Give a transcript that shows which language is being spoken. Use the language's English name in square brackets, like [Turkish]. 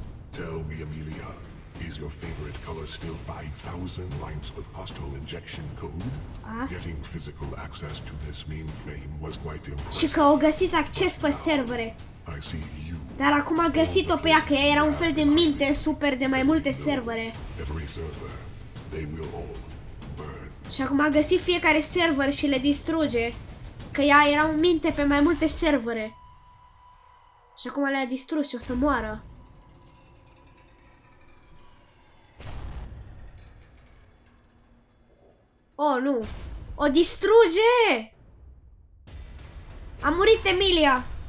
[English] Tell me, Amelia, is your favorite color still 5,000 lines of hostile injection code? Ah. Getting physical access to this mainframe was quite impressive. [Romanian] Și că au găsit acces pe servere. [English] I see you. [Romanian] Dar acum a găsit-o pe ea, că ea era un fel de minte super de mai multe servere. [English] Every server, they will all burn. [Romanian] Și acum a găsit fiecare server și le distruge, că ea era un minte pe mai multe servere. Și acum le-a distrus și o să moară. Oh, nu! O distruge! A murit Emilia!